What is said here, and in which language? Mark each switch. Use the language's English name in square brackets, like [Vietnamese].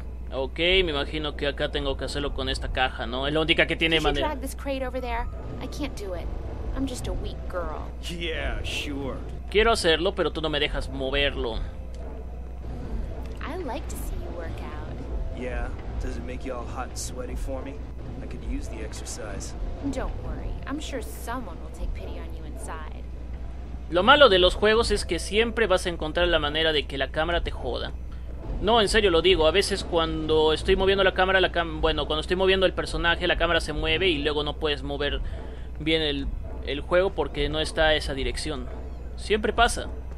[Spanish] Okay, me imagino que acá tengo que hacerlo con esta caja, ¿no? Es la única que tiene manera. [English] Can you drag this crate over there? I can't do it. I'm just a weak girl. Yeah, sure. [Spanish] Quiero hacerlo, pero tú no me dejas moverlo. [English] I like to see you work out. Yeah, does it make you all hot and sweaty for me? I could use the exercise. Don't worry, I'm sure someone will take pity on you inside. [Spanish] Lo malo de los juegos es que siempre vas a encontrar la manera de que la cámara te joda. No, en serio lo digo, a veces cuando estoy moviendo la cámara, cuando estoy moviendo el personaje, la cámara se mueve y luego no puedes mover bien el juego porque no está esa dirección. Siempre pasa.